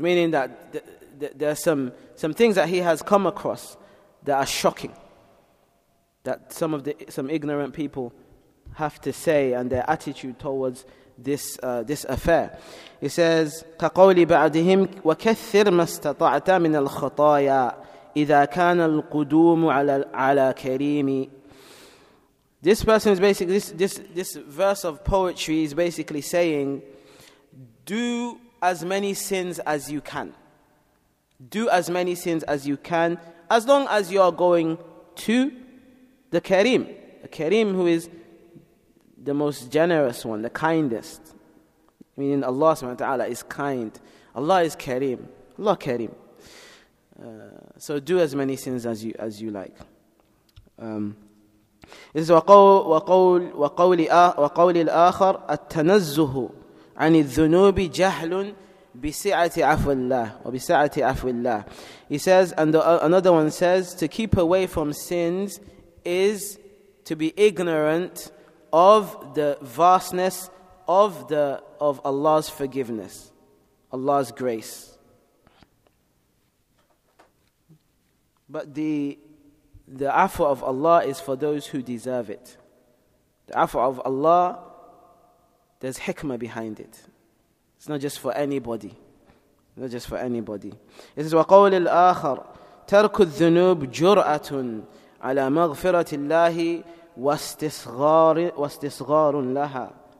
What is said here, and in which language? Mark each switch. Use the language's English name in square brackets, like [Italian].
[English] Meaning that there are some things that he has come across that are shocking. That some ignorant people have to say and their attitude towards this affair. He says, [Arabic] "كَقَوْلِ بَعْدِهِمْ وَكَثِّرْ مَا اسْتَطَعْتَ مِنَ الْخَطَايَا إِذَا كَانَ الْقُدُومُ عَلَى كَرِيمِ." [English] This person is basically this verse of poetry is basically saying, "Do as many sins as you can. Do as many sins as you can, as long as you are going to the Kareem, the Kareem who is the most generous one, the kindest." Meaning Allah subhanahu wa ta'ala is kind. Allah is Kareem. Allah Kareem. So do as many sins as you like. It is [Arabic] وقول الآخر التنزه عن الذنوب جهل بسعة عفو الله وبسعة عفو الله. [English] He says, and another one says, to keep away from sins is to be ignorant of the vastness of Allah's forgiveness, Allah's grace. But the afwa of Allah is for those who deserve it. The afwa of Allah, there's hikmah behind it. It's not just for anybody. Not just for anybody. It says, [Arabic] وَقَوْلِ الْآخَرِ تَرْكُ الذُّنُوبُ جُرْأَةٌ على مغفرة الله واستصغار لها.